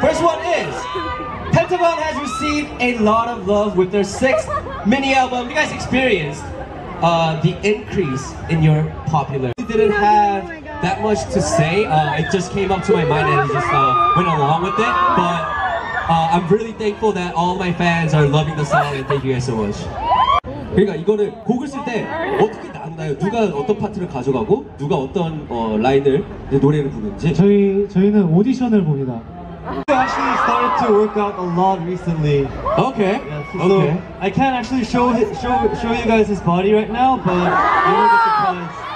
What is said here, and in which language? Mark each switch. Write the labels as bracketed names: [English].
[English] First one is, Pentagon has received a lot of love with their sixth mini album. You guys experienced the increase in your popularity. You didn't have that much to say. It just came up to my mind and just went along with it. But I'm really thankful that all my fans are loving the song, and thank you guys so much. [Korean] 그러니까 이거를 곡을 쓸 때 어떻게 나눠요? 누가 어떤 파트를 가져가고 누가 어떤 라인을 노래를 부르는지 저희는 오디션을 봅니다. [English] We actually started to work out a lot recently. Okay. Yeah, so okay. I can't actually show you guys his body right now, but I know that because